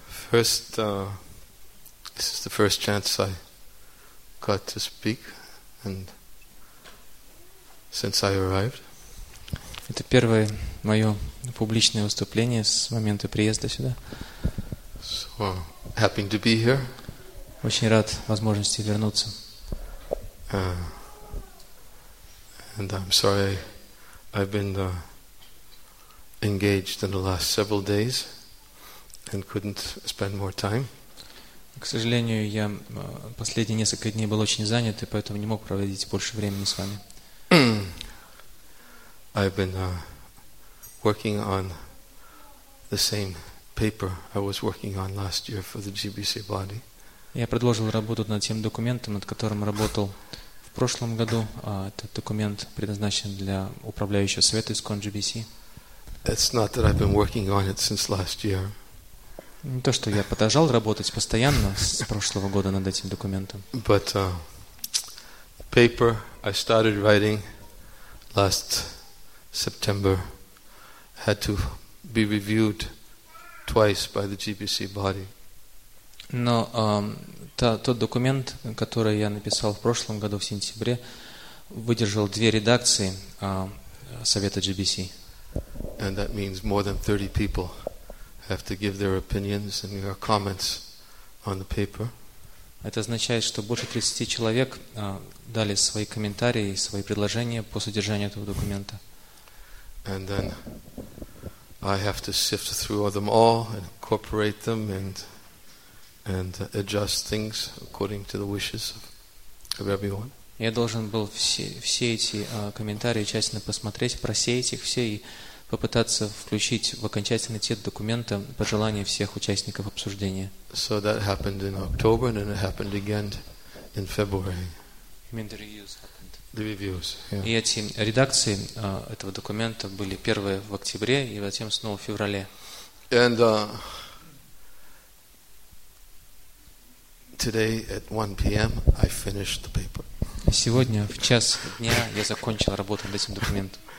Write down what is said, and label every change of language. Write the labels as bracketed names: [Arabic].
[English] First, this is the first chance I got to speak, and since I arrived. [Russian] Это первое мое публичное выступление с момента приезда сюда. [English] So, happy to be here. [Russian] Очень рад возможности вернуться. [English] And I'm sorry I've been engaged in the last several days and couldn't spend more time. [Russian] К сожалению, я последние несколько дней был очень занят и поэтому не мог проводить больше времени с вами. [English] I've been working on the same paper I was working on last year for the GBC body. [Russian] Я продолжил работу над тем документом, над которым работал в прошлом году. Этот документ предназначен для управляющего совета ISKCON GBC. [English] It's not that I've been working on it since last year. [Russian] Не то, что я продолжал работать постоянно с прошлого года над этим документом. [English] But the paper I started writing last September had to be reviewed twice by the GBC body. [Russian] Но тот документ, который я написал в прошлом году в сентябре, выдержал две редакции совета GBC. [English] And that means more than 30 people have to give their opinions and their comments on the paper. [Russian] Это означает, что больше 30 человек дали свои комментарии и свои предложения по содержанию этого документа. [English] And then I have to sift through them all and incorporate them and adjust things according to the wishes of everyone. [Russian] Я должен был все эти комментарии тщательно посмотреть, просеять их все и попытаться включить в окончательный текст документа пожелания всех участников обсуждения. [English] So that happened in October and it happened again in February. You mean the reviews happened? The reviews, yeah. [Russian] И эти редакции этого документа были первые в октябре и затем снова в феврале. [English] And today at 1 p.m. I finished the paper. [Russian] Сегодня в час дня я закончил работу над этим документом.